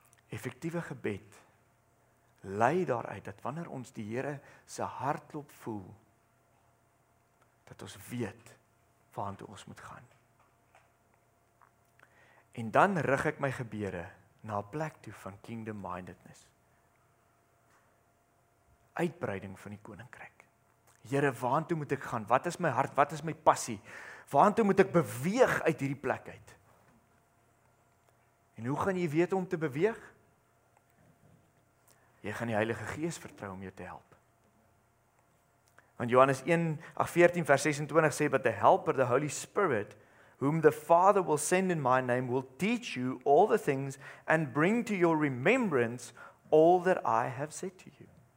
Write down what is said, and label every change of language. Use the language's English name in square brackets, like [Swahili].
[Afrikaans] Effektiewe gebed lei daaruit dat wanneer ons die Here se hartklop voel, dat ons weet waarheen toe ons moet gaan. En dan rig ek my gebede na 'n plek toe van kingdom mindedness. Uitbreiding van die koninkryk. Here, waarheen toe moet ek gaan? Wat is my hart? Wat is my passie? Waarheen toe moet ek beweeg uit hierdie plek uit? En hoe gaan jy weet om te beweeg? Jy gaan die Heilige Gees vertrou om jou te help. Want Johannes 1:14 vers 26 sê, [English] But the Helper, the Holy Spirit, whom the Father will send in my name, will teach you all the things and bring to your remembrance all that I have said to you.